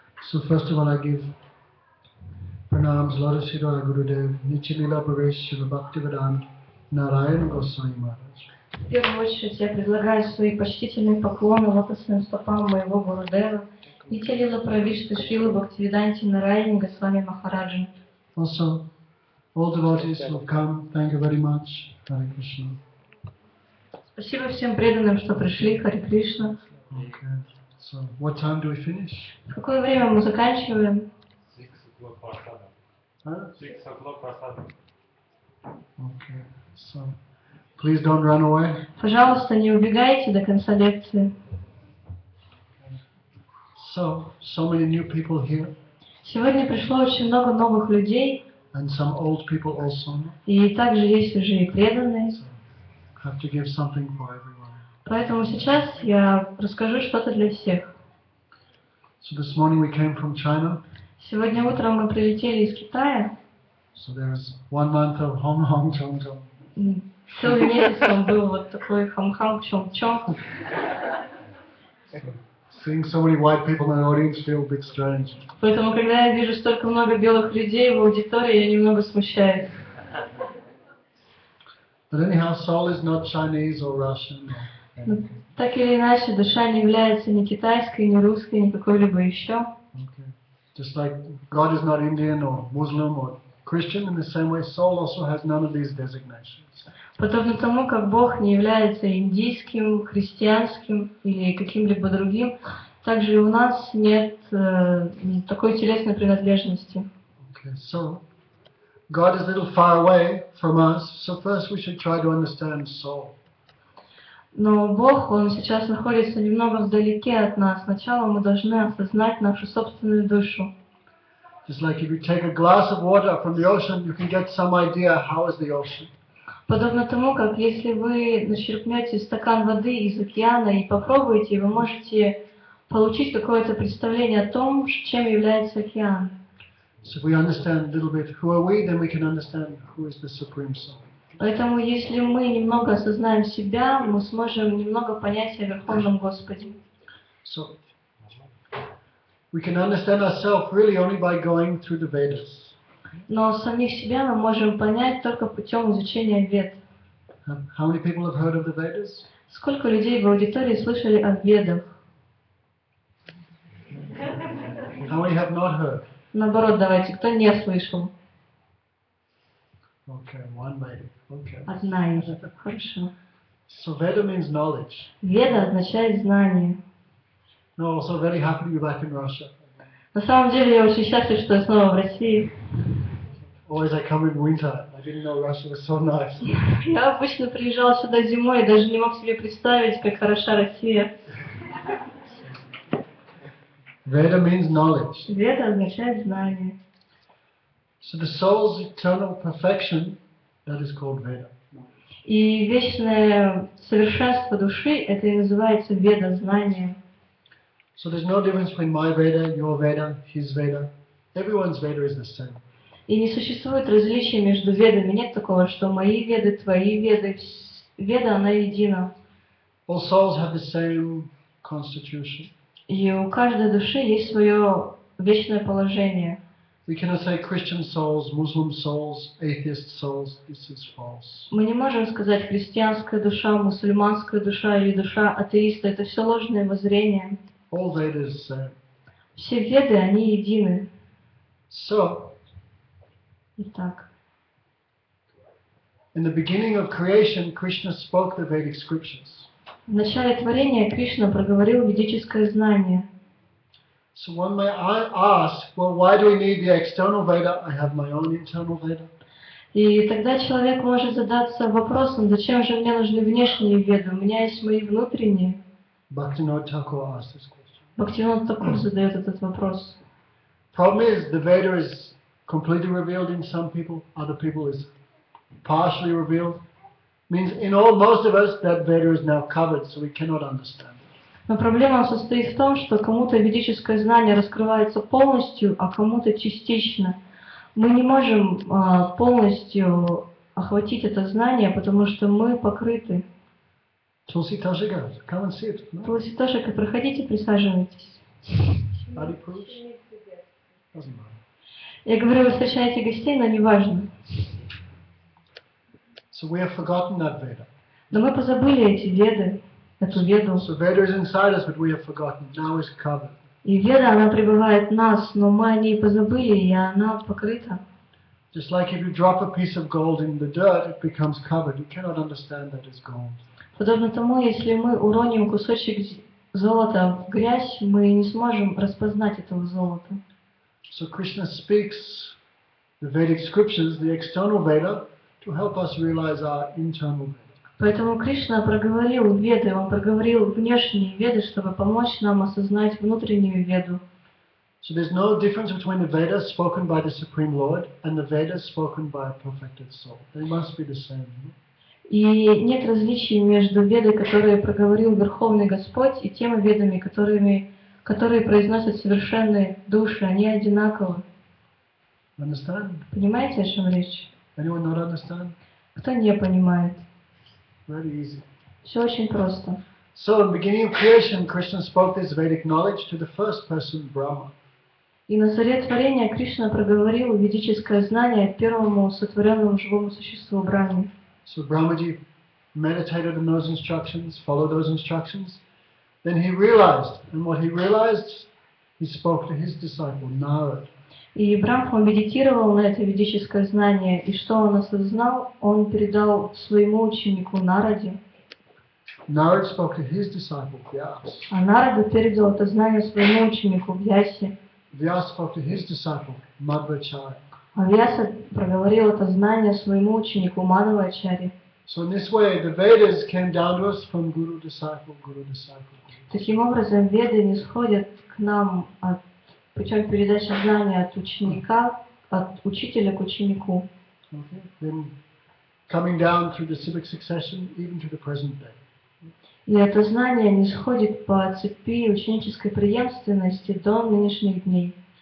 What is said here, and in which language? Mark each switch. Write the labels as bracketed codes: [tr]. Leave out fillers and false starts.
[en] So first of all, I give pranams, Lord Sri Radha Gurudev, Nichi Lila Bhavesh, Shiva Bhakti Vedan, Narayan Goswami Maharaj. [ru] В первую очередь я предлагаю свои почтительные поклоны лотосным стопам моего Гурудева, и Лила Правишты Шрилы Бхактивиданти Нараяне Госвами Махараджи. [en] Also, all devotees who have come, thank you very much, Hare Krishna. [ru] Спасибо всем преданным, что пришли, Hare Krishna. [en] Okay, so what time do we finish? [ru] В какое время мы заканчиваем? [en] 6 o'clock prasadam. Six o'clock prasadam. Okay, so please don't run away. [ru] Пожалуйста, не убегайте до конца лекции. [en] So many new people here. [ru] Сегодня пришло очень много новых людей. [en] And some old people also. [ru] И также есть уже и преданные. [en] So, have to give something for everyone. [ru] Поэтому сейчас я расскажу что-то для всех. [en] So this morning we came from China. [ru] Сегодня утром мы прилетели из Китая. [en] So there's 1 month of Hong Hong Chong Chong. [ru] Целый месяц там был вот такой Hong Hong Chong Chong. [en] Seeing so many white people in the audience feel a bit strange. [ru] Поэтому, когда я вижу столько много белых людей в аудитории, я немного смущаюсь. [en] But anyhow, soul is not Chinese or Russian. [ru] Так или иначе, душа не является ни китайской, ни русской, ни какой-либо еще. [en] Okay. Just like God is not Indian or Muslim or Christian, in the same way, soul also has none of these designations. [ru] Подобно тому, как Бог не является индийским, христианским или каким-либо другим, также и у нас нет такой телесной принадлежности. [en] Okay, so God is a little far away from us, so first we should try to understand soul. [ru] Но Бог, Он сейчас находится немного вдалеке от нас. Сначала мы должны осознать нашу собственную душу. [en] Just like if you take a glass of water from the ocean, you can get some idea how is the ocean. [ru] Подобно тому, как если вы начерпнете стакан воды из океана и попробуете, вы можете получить какое-то представление о том, чем является океан. [en] So we understand a little bit who are we, then we can understand who is the Supreme Soul. [ru] Поэтому, если мы немного осознаем себя, мы сможем немного понять о Верховном Господе. [en] So we can understand ourselves really only by going through the Vedas. [ru] Но самих себя мы можем понять только путем изучения Вед. [en] How many people have heard of the Vedas? [ru] Сколько людей в аудитории слышали о Ведах? [en] How many have not heard? [ru] Наоборот, давайте, кто не слышал? [en] Okay, one maybe. Okay. [ru] Одна из этого. Хорошо. [en] So Veda means knowledge. [ru] Веда означает знание. [en] No, also very happy to be back in Russia. [ru] На самом деле я очень счастлив, что я снова в России. [en] Always I come in winter. I didn't know Russia was so nice. [ru] Я обычно приезжал сюда зимой и даже не мог себе представить, как хороша Россия. [en] Veda means knowledge. [ru] Веда означает знание. [en] So the soul's eternal perfection, that is called Veda. [ru] И вечное совершенство души, это и называется Веда, знание. [en] So there's no difference between my Veda, your Veda, his Veda. Everyone's Veda is the same. [ru] И не существует различия между ведами. Нет такого, что мои веды, твои веды. Веда, она едина. [en] All souls have the same constitution. [ru] И у каждой души есть свое вечное положение. [en] We cannot say Christian souls, Muslim souls, atheist souls. This is false. [ru] Мы не можем сказать христианская душа, мусульманская душа или душа атеиста. Это все ложное воззрение. [en] All Vedas are same. [ru] Все веды, они едины. [en] So. [ru] Итак. [en] In the beginning of creation, Krishna spoke the Vedic scriptures. [ru] В начале творения Кришна проговорил ведическое знание. [en] So one may ask, well, why do we need the external Veda? I have my own internal Veda. [ru] И тогда человек может задаться вопросом, зачем же мне нужны внешние веды? У меня есть мои внутренние. [en] Bhaktivinoda Thakur asked this question. [ru] Bhaktivinoda Thakur задает этот вопрос. [en] Problem is, the Veda is completely revealed in some people, other people is partially revealed. Means in all most of us that Veda is now covered, so we cannot understand. [ru] Но проблема состоит в том, что кому-то ведическое знание раскрывается полностью, а кому-то частично. Мы не можем полностью охватить это знание, потому что мы покрыты. [en] Tulsi Tashika, come and sit. [ru] Tulsi Tashika, проходите, присаживайтесь. [en] Hare Krishna. [ru] Я говорю, вы встречаете гостей, но неважно. [en] So we have forgotten that Veda. [ru] Но мы позабыли эти веды, эту веду. [en] So Veda is inside us, but we have forgotten. Now it's covered. [ru] И веда, она пребывает в нас, но мы о ней позабыли, и она покрыта. [en] Just like if you drop a piece of gold in the dirt, it becomes covered. You cannot understand that it's gold. [ru] Подобно тому, если мы уроним кусочек золота в грязь, мы не сможем распознать этого золота. [en] So Krishna speaks the Vedic scriptures, the external Veda, to help us realize our internal Veda. [ru] Поэтому Кришна проговорил Веды, он проговорил внешние Веды, чтобы помочь нам осознать внутреннюю Веду. [en] So there's no difference between the Veda spoken by the Supreme Lord and the Veda spoken by a perfected soul. They must be the same. [ru] И нет различий между Ведой, которые проговорил Верховный Господь, и теми Ведами, которые произносят совершенные души, они одинаковы. [en] Understand? [ru] Понимаете, о чем речь? [en] Anyone not understand? [ru] Кто не понимает? [en] Very easy. [ru] Все очень просто. [en] So, in the beginning of creation, Krishna spoke this Vedic knowledge to the first person, Brahma. [ru] И на заре творения Кришна проговорил ведическое знание первому сотворенному живому существу Брахме. [en] So Brahmaji meditated on those instructions, followed those instructions. Then he realized, and what he realized, he spoke to his disciple Narad. [ru] И Брахма медитировал на это ведическое знание, и что он осознал, он передал своему ученику Нараде. [en] Narad spoke to his disciple Vyas. [ru] А Нарада передал это знание своему ученику Вьясе. [en] Vyas spoke to his disciple Madhvacharya. [ru] А Вьяса проговорил это знание своему ученику Мадхвачарье. [en] So in this way, the Vedas came down to us from guru, disciple, guru, disciple. [ru] Таким образом, Веды нисходят к нам от путем передачи знания от ученика, от учителя к ученику. [en] Okay. Then coming down through the civic succession, even to the present day. [ru] И это знание нисходит по цепи ученической преемственности до нынешних дней.